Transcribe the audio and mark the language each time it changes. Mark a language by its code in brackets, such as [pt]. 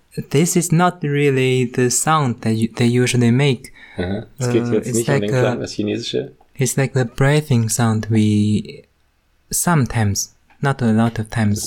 [en] This is not really the sound that they usually make. [de] Es geht jetzt nicht like um den Klang, das chinesische. [en] It's like the breathing sound we sometimes, not a lot of times.